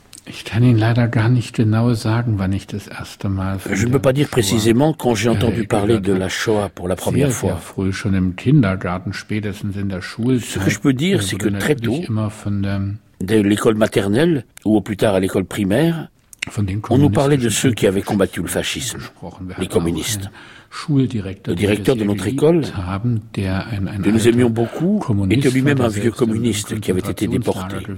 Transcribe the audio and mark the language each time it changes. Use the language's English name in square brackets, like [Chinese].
[German] Ich kann Ihnen leider gar nicht genau sagen, wann ich das erste Mal [French] von Je ne peux pas dire précisément quand j'ai entendu parler de la Shoah pour la première fois. [German] Sehr früh, schon im Kindergarten, spätestens in der Schulzeit. [French] Ce que je peux dire, c'est que très tôt, dès l'école maternelle, ou au plus tard à l'école primaire, on nous parlait de ceux qui avaient combattu le fascisme, les communistes. Le directeur de notre école, que nous aimions beaucoup, était lui-même un vieux communiste qui avait été déporté.